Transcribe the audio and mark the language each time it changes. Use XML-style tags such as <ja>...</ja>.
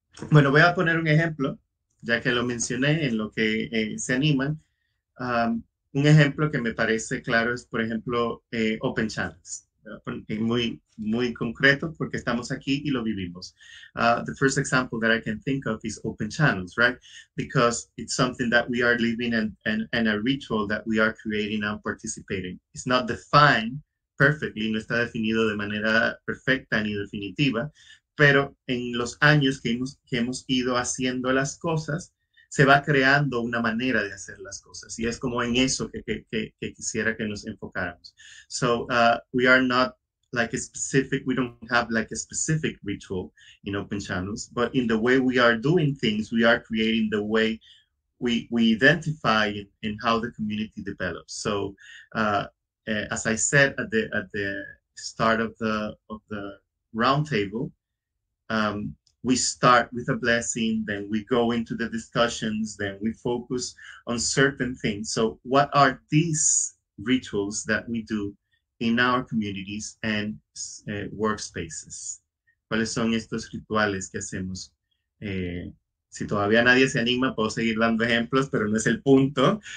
<es>Bueno, voy a poner un ejemplo, ya que lo mencioné en lo que se animan. Un ejemplo que me parece claro es, por ejemplo, Open Channels. Muy, muy concreto, porque estamos aquí y lo vivimos.</es> <en>The first example that I can think of is Open Channels, right? Because it's something that we are living in, and a ritual that we are creating and participating. It's not defined perfectly,</en> <es>no está definido de manera perfecta ni definitiva, pero en los años que hemos ido haciendo las cosas, se va creando una manera de hacer las cosas. Y es como en eso que quisiera que nos enfocáramos.</es> <en>So we are not like a specific, we don't have like a specific ritual in Open Channels, but in the way we are doing things, we are creating the way we identify in how the community develops. So as I said at the start of the roundtable, we start with a blessing, then we go into the discussions, then we focus on certain things. So what are these rituals that we do in our communities and workspaces?</en> <es>¿Cuáles son estos rituales que hacemos? Si todavía nadie se anima, puedo seguir dando ejemplos, pero no es el punto.</es>